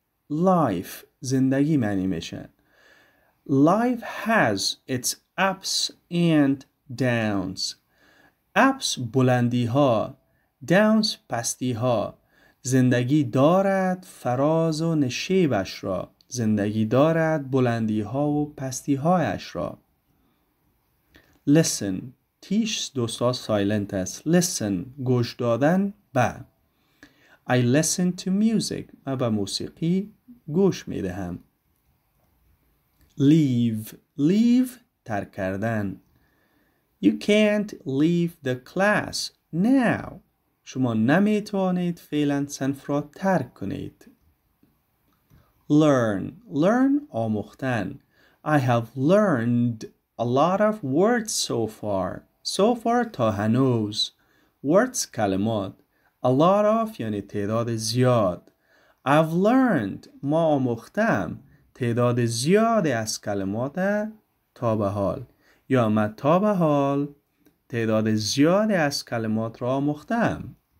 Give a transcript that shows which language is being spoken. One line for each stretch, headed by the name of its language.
Persian: Life زندگی معنی میشه.
English: Life has its ups and downs.
Persian: Ups بلندی ها، downs پستی ها. زندگی دارد فراز و نشیبش را. زندگی دارد بلندی ها و پستی هایش را. Listen. تیش دوستا سایلنت است. Listen. گوش دادن به.
English: I listen to music.
Persian: ما به موسیقی گوش می دهم. Leave ترک کردن.
English: You can't leave the class now.
Persian: شما نمیتوانید فعلا صنف را ترک کنید. Learn آموختن.
English: I have learned a lot of words so far
Persian: تا هنوز. Words کلمات.
English: A lot of
Persian: یعنی تعداد زیاد.
English: I've learned
Persian: ما آموختم تعداد زیادی از کلمات تا به حال، یا من تا به حال تعداد زیادی از کلمات را آموختم.